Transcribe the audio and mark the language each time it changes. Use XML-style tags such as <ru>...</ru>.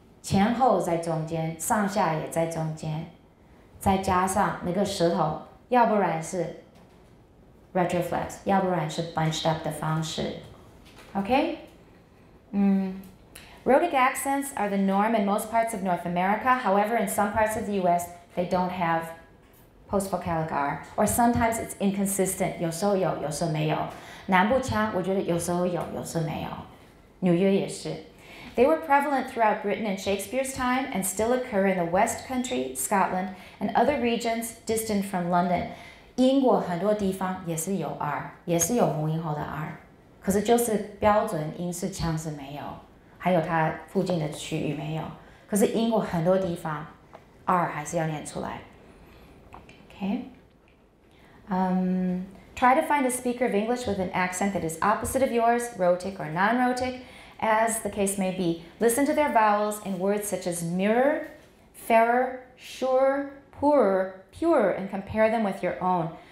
<zh>前后在中间，上下也在中间，再加上那个舌头，要不然是 retroflex， 要不然是 bunched up 的方式。OK？</zh> <en>Rhotic accents are the norm in most parts of North America. However, in some parts of the U.S., they don't have post-vocalic R. Or sometimes it's inconsistent.</en> <zh>有时候有，有时候没有。南部腔，我觉得有时候有，有时候没有。纽约也是。</zh> <en>They were prevalent throughout Britain in Shakespeare's time and still occur in the West Country, Scotland, and other regions distant from London.</en> <zh>英国很多地方也是有 R， 也是有母音后的 R， 可是就是标准英式腔是没有，还有它附近的区域没有。可是英国很多地方 R 还是要念出来。</zh> <en>Okay. Try to find a speaker of English with an accent that is opposite of yours, rhotic or non-rhotic. As the case may be, listen to their vowels in words such as mirror, fairer, sure, poorer, purer, and compare them with your own.</en>